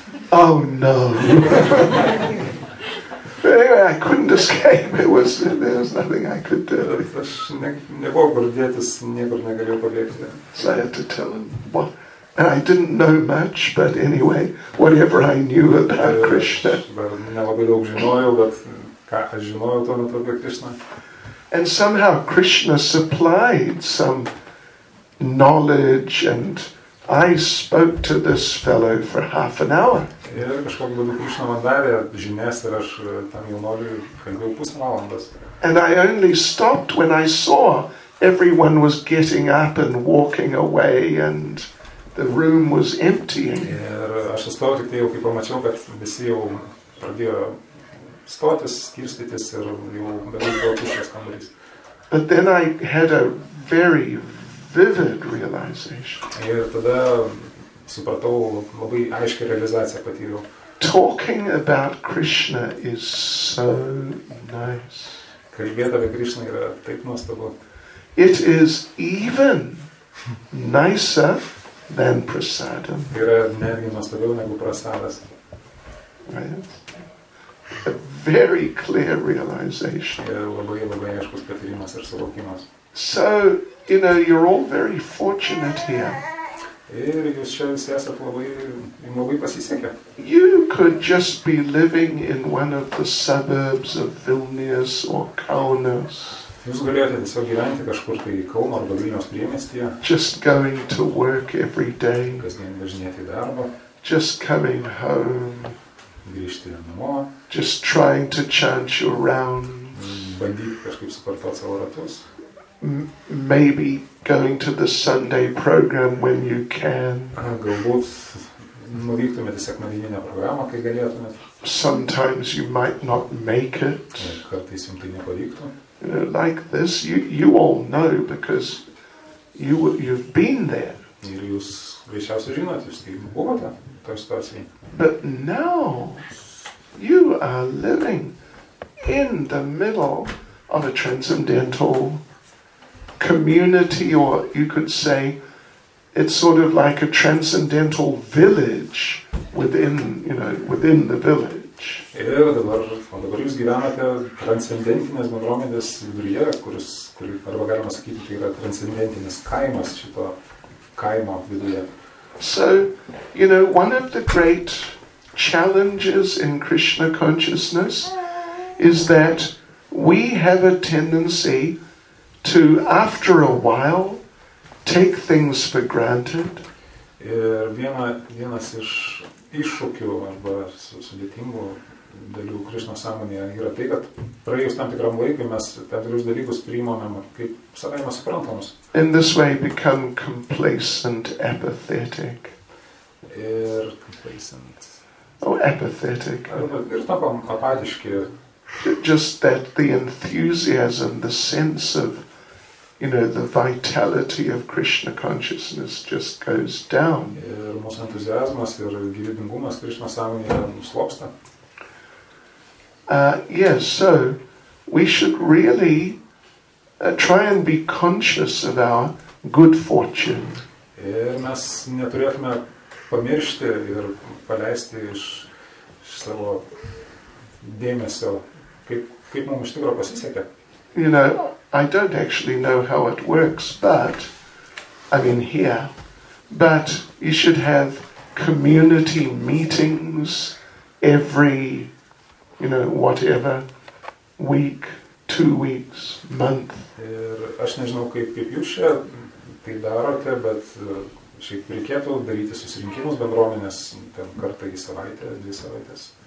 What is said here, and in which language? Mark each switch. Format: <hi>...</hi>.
<en>Oh no. Anyway, I couldn't escape. There was nothing I could do.</en> <lt>Aš nebuvau kur dėtis, niekur negalėjau pabėgti.</lt> <en>So I had to tell him what. And I didn't know much, but anyway, whatever I knew about Krishna.</en> <lt>Nelabai daug žinojau, bet ką aš žinojau tuo metu apie Krishna.</lt> <en>And somehow Krishna supplied some knowledge, and I spoke to this fellow for half an hour.</en> <lt>Ir kažkokiu būdu Krishna man davė žinias, ir aš tam jaunuoliui kalbėjau pusę valandos.</lt> <en>And I only stopped when I saw everyone was getting up and walking away, and the room was emptying.</en> <lt>Ir aš sustojau tik tai jau, kai pamačiau, kad visi jau pradėjo stotis, skirstytis, ir jau beveik buvo tuščias kambarys.</lt> <en>But then I had a very vivid realization.</en> <lt>Ir tada supratau, labai aiškią realizaciją patyriau.</lt> <en>Talking about Krishna is so nice.</en> <lt>Kalbėt apie Krishna yra taip nuostabu.</lt> <en>It is even nicer than prasadam.</en> <lt>Yra netgi nuostabiau negu prasadas.</lt> <en>A very clear realization.</en> <lt>Yra labai, labai aiškus patyrimas ir suvokimas.</lt> <en>So, you know, you're all very fortunate here.</en> <lt>Ir jūs šiandien esat labai pasisekę.</lt> <en>You could just be living in one of the suburbs of Vilnius or Kaunas.</en> <lt>Jūs galėjote tiesiog gyventi kažkur tai Kauno arba Vilniaus priemestyje.</lt> <en>Just going to work every day.</en> <lt>Kasdien važinėti į darbą.</lt> <en>Just coming home.</en> <lt>Grįžti namo.</lt> <en>Just trying to chant your rounds.</en> <lt>Bandyti kažkaip supartot savo ratus.</lt> <en>Maybe going to the Sunday program when you can.</en> <lt>Galbūt nuvyktumėte sekmadieninę programą, kai galėtumėte.</lt> <en>Sometimes you might not make it.</en> <lt>Kartais jums tai nepavyktų.</lt> <en>Like this, you all know because you've been there.</en> <lt>Ir jūs greičiausiai žinote, jūs tai buvote toj situacijai.</lt> <en>But now you are living in the middle of a transcendental community, or you could say it's sort of like a transcendental village within, you know, within the village.</en> <lt>Ir dabar jūs gyvenate transcendentinės bendruomenės viduryje, kuris arba galima sakyti, tai yra transcendentinis kaimas šito kaimo viduje.</lt> <en>So, you know, one of the great challenges in Krishna consciousness is that we have a tendency to, after a while, take things for granted.</en> <lt>Ir vienas iš iššūkių arba sudėtingų dalių Krishna sąmonėje yra tai, kad praėjus tam tikram laikui mes tam tikrus dalykus priimamėm kaip savaime suprantamus.</lt> <en>In this way become complacent, apathetic.</en> <lt>Ir complacent.</lt> <en>Oh, apathetic.</en> <lt>Ir tapam apatiški.</lt> <en>Just that the enthusiasm, the sense of, you know, the vitality of Krishna consciousness just goes down.</en> <lt>Ir mūsų entuziazmas ir gyvybingumas Krishna sąmonėje nuslopsta.</lt> <en>Yes, so we should really try and be conscious of our good fortune.</en> <lt>Ir mes neturėtume pamiršti ir paleisti iš savo dėmesio, kaip mums iš tikro pasisekė.</lt> <en>You know, I don't actually know how it works, but, I mean here, but you should have community meetings every, you know, whatever, week, 2 weeks, month.</en> <lt>Ir aš nežinau, kaip jūs čia tai darote, bet šiaip reikėtų daryti susirinkimus bendruomenės ten kartą į savaitę, dvi savaitės.</lt>